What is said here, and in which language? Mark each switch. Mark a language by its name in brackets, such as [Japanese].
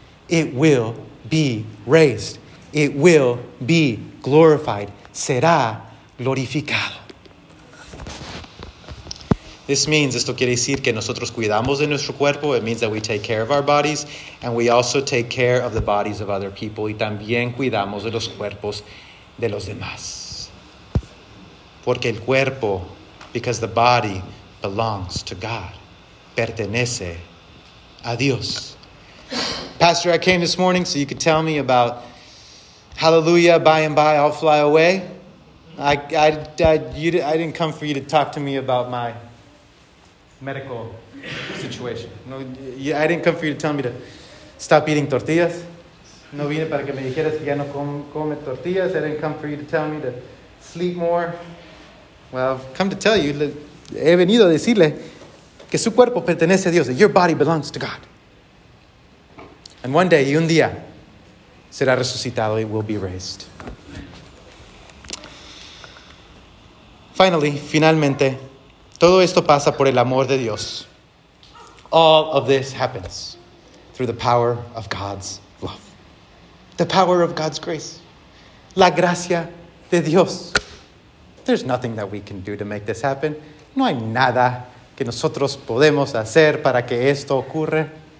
[English] It will be raised. It will be glorified. [Spanish] Será glorificado. [English] This means, [Spanish] esto quiere decir que nosotros cuidamos de nuestro cuerpo. [English] It means that we take care of our bodies. And we also take care of the bodies of other people. [Spanish] Y también cuidamos de los cuerpos de los demás. Porque el cuerpo, [English] because the body belongs to God. [Spanish] Pertenece a Dios. [English] Pastor, I came this morning so you could tell me about hallelujah, by and by I'll fly away. I didn't come for you to talk to me about my medical situation. No, I didn't come for you to tell me to stop eating tortillas. [Spanish] No vine para que me dijeras que ya no come tortillas. [English] I didn't come for you to tell me to sleep more. Well, I've come to tell you, [Spanish] he venido a decirle que su cuerpo pertenece a Dios, [English] that your body belongs to God. And one day, [Spanish] y un día, será resucitado y [English] will be raised. [Spanish] Finalmente, todo esto pasa por el amor de Dios. [English] All of this happens through the power of God's love. The power of God's grace. [Spanish] La gracia de Dios. [English] There's nothing that we can do to make this happen. [Spanish] No hay nada que nosotros podemos hacer para que esto ocurra.